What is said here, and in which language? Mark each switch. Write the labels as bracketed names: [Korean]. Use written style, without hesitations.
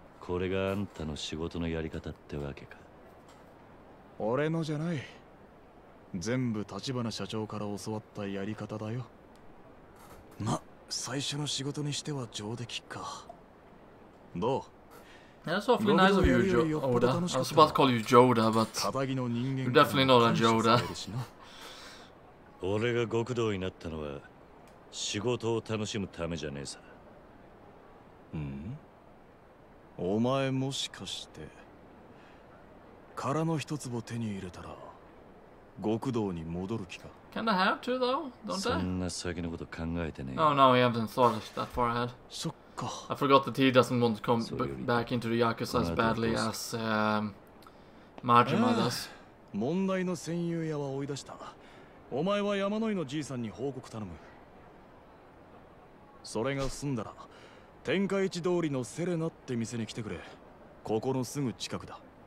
[Japanese] これがあんたの仕事のやり方ってわけか。俺のじゃない。全部立花社長から教わったやり方だよ。ま、最初の仕事にしては上出来か。どう？ [English] That's awfully nice of you, Yoda. I was about to call you Yoda, but you're definitely not a Yoda. [Japanese] 俺が極道になったのは仕事を楽しむためじゃねえさ。うん？お前もしかして殻の一粒手に入れたら極道に戻る気か？ [English] Can I have to though? Don't I? [Japanese] そんな先のこと考えてねえ。 [English] Oh no, we haven't thought that far ahead. [Japanese] そっか。 [English] I forgot that he doesn't want to come back into the Yakuza as badly as Majima does. [Japanese] 問題の戦友屋は追い出した。お前は山の井のじいさんに報告頼む。それが済んだら天下一通りのセレナって店に来てくれ。ここのすぐ近くだ。